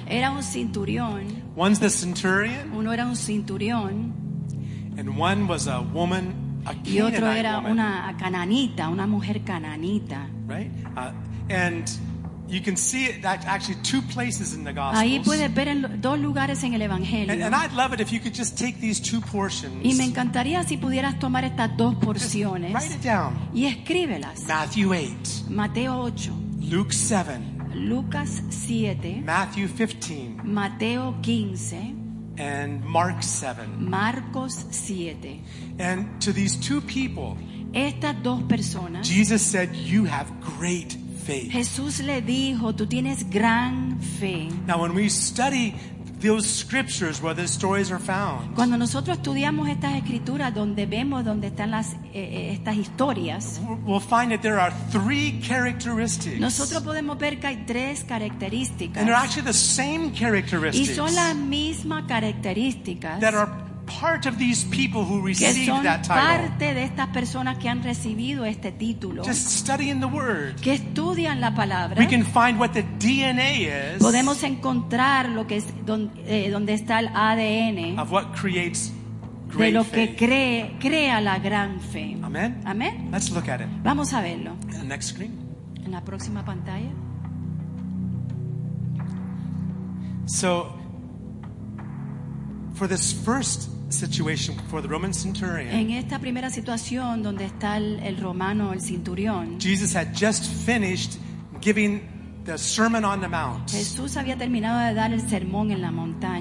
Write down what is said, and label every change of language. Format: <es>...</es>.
<es>Era un centurión.</es> <en>One's the centurion.</en> <es>Uno era un centurión.</es> <en>And one was a woman, a Canaanite.</en> <es>Y otro era</es> <en>woman.</en> <es>Una cananita, una mujer cananita.</es> <en>Right? And you can see that actually two places in the Gospels.</en> <es>Ahí puedes ver en dos lugares en el Evangelio.</es> <en>And I'd love it if you could just take these two portions.</en> <es>Y me encantaría si pudieras tomar estas dos porciones.</es> <en>Just write it down.</en> <es>Y escríbelas.</es> <en>Matthew 8.</en> <es>Mateo 8.</es> <en>Luke 7.</en> <es>Lucas 7.</es> <en>Matthew 15.</en> <es>Mateo 15.</es> <en>And Mark 7.</en> <es>Marcos 7.</es> <en>And to these two people,</en> <es>estas dos personas,</es> <en>Jesus said, "You have great faith."</en> <es>Jesús le dijo, "Tú tienes gran fe."</es> <en>Now, when we study those scriptures where the stories are found,</en> <es>cuando nosotros estudiamos estas escrituras donde vemos donde están las estas historias,</es> <en>we'll find that there are three characteristics.</en> <es>Nosotros podemos ver que hay tres características,</es> <en>and they're actually the same characteristics.</en> <es>Y son las mismas características</es> <en>that are part of these people who received</en> <es>que son</es> <en>that title.</en> <es>Parte de estas personas que han recibido este título.</es> <en>Just studying the word.</en> <es>Que estudian la palabra.</es> <en>We can find what the DNA is.</en> <es>Podemos encontrar lo que es donde está el ADN.</es> <en>Of what creates great faith.</en> <es>De lo que crea la gran fe. Amen. Amen.</es> <en>Let's look at it.</en> <es>Vamos a verlo.</es> <en>In the next screen.</en> <es>En la próxima pantalla.</es> <en>So, for this first situation, for the Roman centurion,</en> <es>en esta primera situación donde está el romano, el centurión,</es> <en>Jesus had just finished giving the Sermon on the Mount.</en> <es>Jesús había terminado de dar el sermón en la montaña.</es>